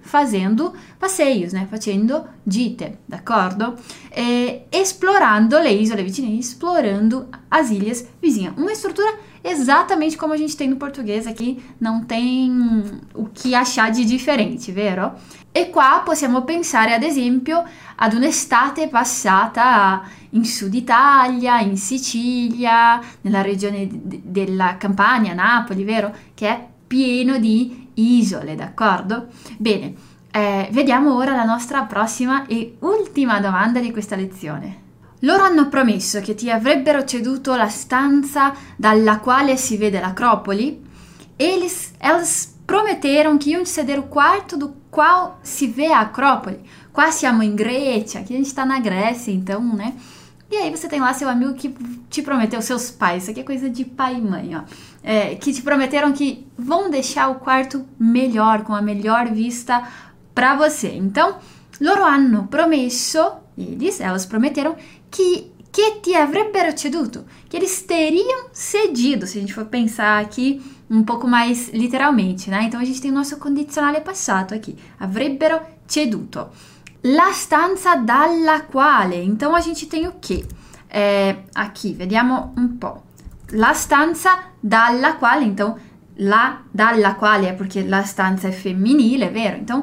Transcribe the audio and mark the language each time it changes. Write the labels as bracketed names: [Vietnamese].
[Portuguese] Fazendo passeios, né? [Italian] Facendo gite, d'accordo? [Portuguese] Explorando le isole vicine, explorando as ilhas vizinhas. Uma estrutura exatamente como a gente tem no português aqui, não tem o que achar de diferente, [Italian] vero? E qua possiamo pensare, ad esempio, ad un'estate passata in Sud Italia, in Sicilia, nella regione della Campania, Napoli, vero? Che è pieno di isole, d'accordo? Bene, vediamo ora la nostra prossima e ultima domanda di questa lezione. Loro hanno promesso che ti avrebbero ceduto la stanza dalla quale si vede l'acropoli. [Portuguese] Eles prometeram que iam te ceder o quarto do qual si vê a acrópole. [Italian] Qua siamo in Grecia, [Portuguese] aqui a gente está na Grécia, então, né? E aí você tem lá seu amigo que te prometeu, seus pais, isso aqui é coisa de pai e mãe, ó. Que te prometeram que vão deixar o quarto melhor, com a melhor vista pra você. Então, [Italian] loro hanno promesso, [Portuguese] eles, elas prometeram, que [Italian] ti avrebbero ceduto, [Portuguese] que eles teriam cedido, se a gente for pensar aqui um pouco mais literalmente, né? Então a gente tem o nosso condizionale passato aqui, avrebbero ceduto. La stanza dalla quale, então a gente tem o quê? Aqui, [Italian] vediamo un po'. [Portuguese] La stanza dalla quale, então la dalla quale, [Italian] perché la stanza è femminile, vero?